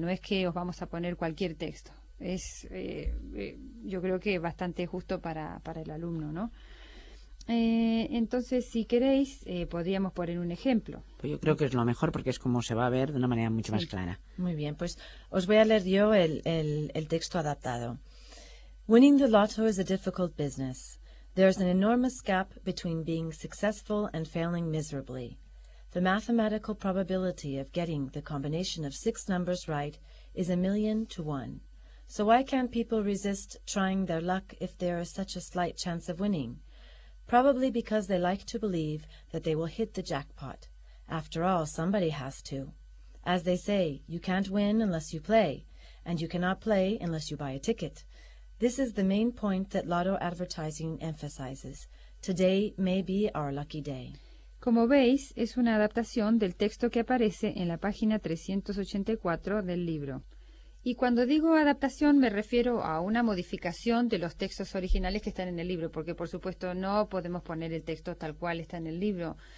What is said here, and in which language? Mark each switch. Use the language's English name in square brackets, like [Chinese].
[Spanish] No es que os vamos a poner cualquier texto. Es, yo creo que bastante justo para el alumno, ¿no? Entonces, si queréis, podríamos poner un ejemplo. Pues yo creo que es lo mejor, porque es como se va a ver de una manera mucho más clara. Muy bien, pues os voy a leer yo el texto adaptado. [English] Winning the lotto is a difficult business. There's an enormous gap between being successful and failing miserably. The mathematical probability of getting the combination of six numbers right is 1,000,000 to 1. So why can't people resist trying their luck if there is such a slight chance of winning? Probably because they like to believe that they will hit the jackpot. After all, somebody has to. As they say, you can't win unless you play, and you cannot play unless you buy a ticket. This is the main point that lotto advertising emphasizes. Today may be our lucky day. [Spanish] Como veis, es una adaptación del texto que aparece en la página 384 del libro. Y cuando digo adaptación, me refiero a una modificación de los textos originales que están en el libro, porque por supuesto no podemos poner el texto tal cual está en el libro.